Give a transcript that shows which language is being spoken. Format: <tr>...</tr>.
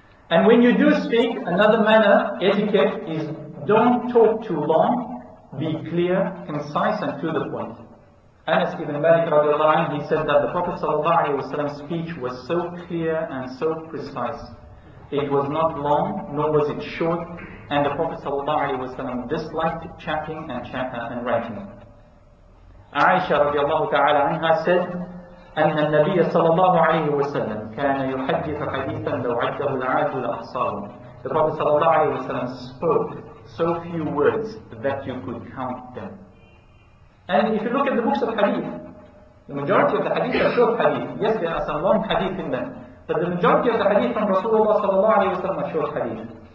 <en>And when you do speak, another manner, etiquette, is don't talk too long, be clear, concise, and to the point. Anas ibn Malik radiallahu anhu, he said that the Prophet sallallahu alayhi wa sallam's speech was so clear and so precise. It was not long, nor was it short, and the Prophet sallallahu alayhi wa sallam disliked chatting and chatter and writing. Aisha radiallahu ta'ala anha said,</en> <ar>أن النبي صلى الله عليه وسلم كان يحدث حديثا لو عده العاد الأحصار.</ar> <en>The Prophet صلى الله عليه وسلم spoke so few words that you could count them. And if you look at the books of hadith, the majority of the hadith are short hadith. Yes, there are some long hadith in them, but the majority of the hadith from Rasulullah صلى الله عليه وسلم are short hadith.</en>